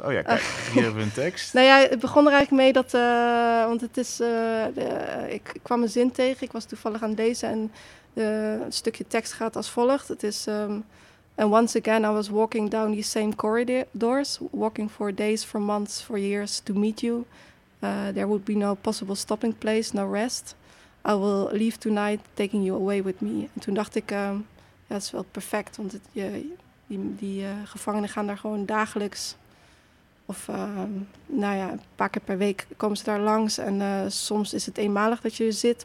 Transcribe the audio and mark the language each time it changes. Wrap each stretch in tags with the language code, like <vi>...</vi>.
<nl>Oh ja, kijk, hier hebben we een tekst. Nou ja, het begon er eigenlijk mee dat... want het is... ik kwam een zin tegen. Ik was toevallig aan het lezen. En een stukje tekst gaat als volgt. Het is...</nl> <en>And once again I was walking down these same corridors. Walking for days, for months, for years to meet you. There would be no possible stopping place, no rest. I will leave tonight taking you away with me.</en> <nl>En toen dacht ik... Ja, dat is wel perfect, want die gevangenen gaan daar gewoon dagelijks. Of een paar keer per week komen ze daar langs. En soms is het eenmalig dat je er zit.</nl>